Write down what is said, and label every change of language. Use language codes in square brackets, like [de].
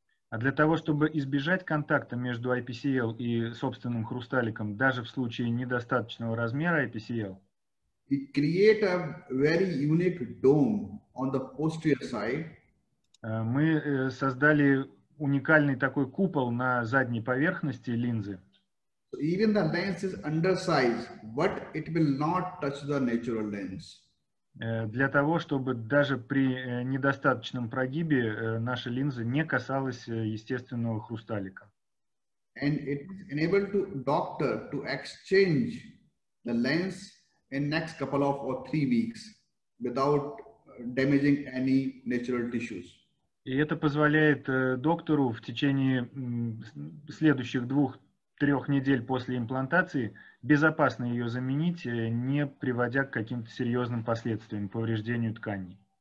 [ru] А для того, чтобы избежать контакта между IPCL и собственным хрусталиком, даже в случае недостаточного размера IPCL, [en] we create a very unique dome on the posterior side. [ru] Мы создали уникальный такой купол на задней поверхности линзы. [en] So even the lens is undersized, but it will not touch the natural lens. [ru] Для того, чтобы даже при недостаточном прогибе наша линза не касалась естественного хрусталика. [en] And it enables the doctor to exchange the lens in next couple of or three weeks without damaging any natural tissues. [ru] И это позволяет доктору в течение следующих 2-3 недель после имплантации безопасно ее заменить, не приводя к каким-то серьезным последствиям, повреждению тканей.